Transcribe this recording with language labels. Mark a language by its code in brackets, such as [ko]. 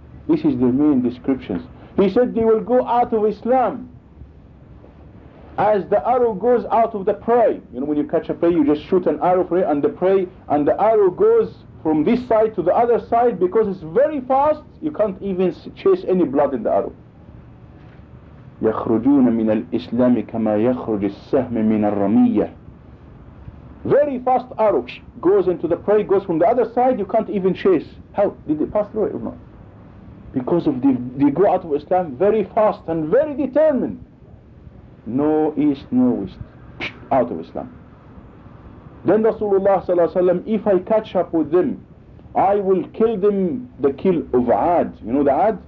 [en] This is the main descriptions. He said they will go out of Islam as the arrow goes out of the prey. You know, when you catch a prey, you just shoot an arrow for it, and the prey, and the arrow goes from this side to the other side because it's very fast. You can't even chase any blood in the arrow. [ar] يخرجون من الإسلام كما يخرج السهم من الرمية. [en] Very fast arrow goes into the prey, goes from the other side, you can't even chase. How? Did it pass through it or not? Because of the out of Islam, very fast and very determined. No east, no west. Out of Islam. Then Rasulullah صلى الله عليه وسلم, if I catch up with them, I will kill them the kill of Ad. You know the Ad?